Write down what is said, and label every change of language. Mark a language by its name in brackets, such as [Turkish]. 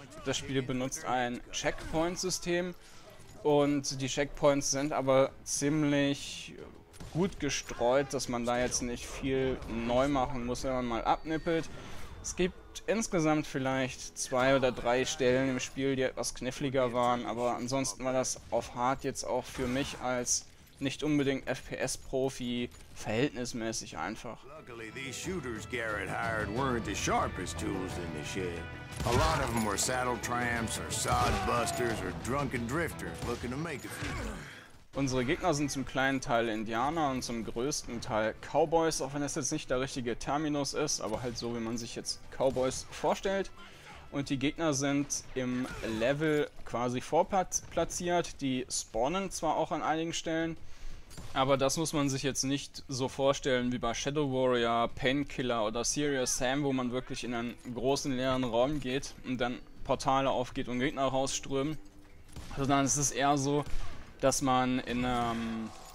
[German] Das Spiel benutzt ein Checkpoint-System. Und die Checkpoints sind aber ziemlich gut gestreut, dass man da jetzt nicht viel neu machen muss, wenn man mal abnippelt. Es gibt insgesamt vielleicht zwei oder drei Stellen im Spiel, die etwas kniffliger waren, aber ansonsten war das auf Hard jetzt auch für mich als nicht unbedingt FPS-Profi verhältnismäßig einfach. [English] Luckily, these shooters Garrett hired weren't the sharpest tools in the shed. A lot of them were saddle tramps or sod busters or drunken drifters looking to make a few. [German] Unsere Gegner sind zum kleinen Teil Indianer und zum größten Teil Cowboys, auch wenn das jetzt nicht der richtige Terminus ist, aber halt so, wie man sich jetzt Cowboys vorstellt. Und die Gegner sind im Level quasi vorplatziert, die spawnen zwar auch an einigen Stellen, aber das muss man sich jetzt nicht so vorstellen wie bei Shadow Warrior, Painkiller oder Serious Sam, wo man wirklich in einen großen leeren Raum geht und dann Portale aufgeht und Gegner rausströmen, sondern es ist eher so, dass man in einem